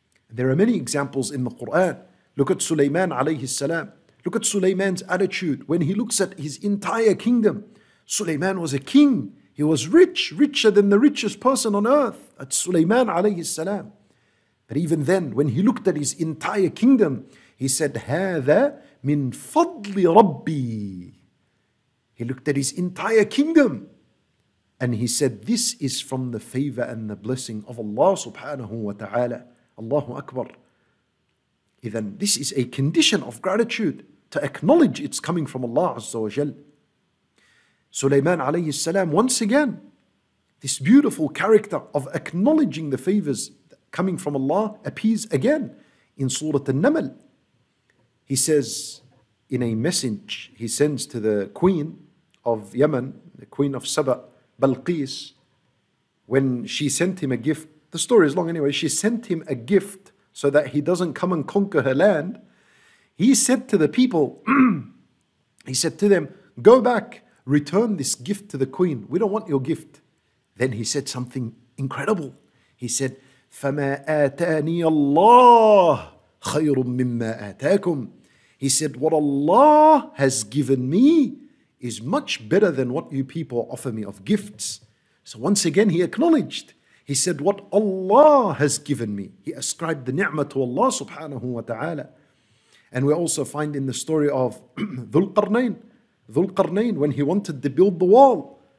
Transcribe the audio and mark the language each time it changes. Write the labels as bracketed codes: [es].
[en] There are many examples in the Quran. Look at Sulaiman alayhi salam. Look at Sulaiman's attitude when he looks at his entire kingdom. Sulaiman was a king. He was rich, richer than the richest person on earth. That's Sulaiman alayhi salam. But even then, when he looked at his entire kingdom, He said, [ar] هذا من فضل ربي. [en] He looked at his entire kingdom. And he said, this is from the favor and the blessing of Allah subhanahu wa ta'ala. Allahu Akbar. Then this is a condition of gratitude to acknowledge it's coming from Allah Azza wa Jal. Sulaiman alayhi salam, once again, this beautiful character of acknowledging the favors coming from Allah appears again in Surah An-Naml. He says in a message he sends to the queen of Yemen, the queen of Saba, Balqis, when she sent him a gift, the story is long anyway, she sent him a gift so that he doesn't come and conquer her land. He said to the people, he said to them, go back, return this gift to the queen. We don't want your gift. Then he said something incredible. He said, [ar] فَمَا آتَانِيَ اللَّهُ خَيْرٌ مِّمَّا آتَاكُمْ. [en] He said, what Allah has given me is much better than what you people offer me of gifts. So once again, he acknowledged. He said, what Allah has given me. He ascribed the ni'mah to Allah subhanahu wa ta'ala. And we also find in the story of Dhul Qarnayn, when he wanted to build the wall.